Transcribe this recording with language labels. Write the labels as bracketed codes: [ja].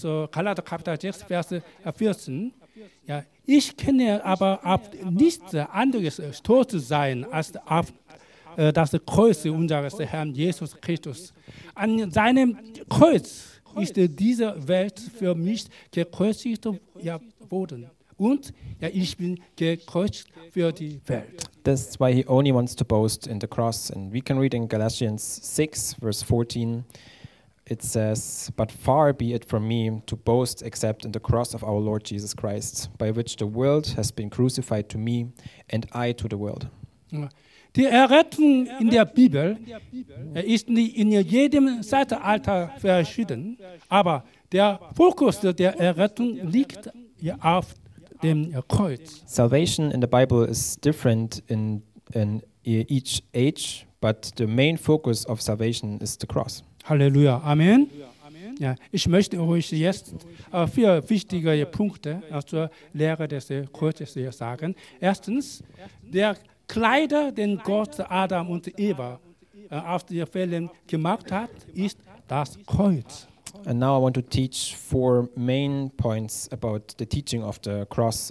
[de] Galater Kapitel 6, Vers 14. Ja, ich kenne aber auf nichts anderes stolz sein, als auf das Kreuz unseres Herrn Jesus Christus. An seinem Kreuz ist diese Welt für mich gekreuzigt worden. Und ja, ich bin gekreuzigt für die Welt. [en] That's why he only wants to boast in the cross. And we can read in Galatians 6, verse 14, it says, but far be it from me to boast except in the cross of our Lord Jesus Christ, by which the world has been crucified to me and I to the world. [de] Die Errettung in der Bibel ist in jedem Zeitalter verschieden, aber der Fokus der Errettung liegt auf dem Kreuz. [en] Salvation in the Bible is different in each age, but the main focus of salvation is the cross. Halleluja. Amen. [de] Ja, ich möchte euch jetzt vier wichtige Punkte zur Lehre des Kreuzes sagen. Erstens, der Kleider, den Gott Adam und Eva auf die Fällen gemacht hat, ist das Kreuz. [en] And now I want to teach four main points about the teaching of the cross.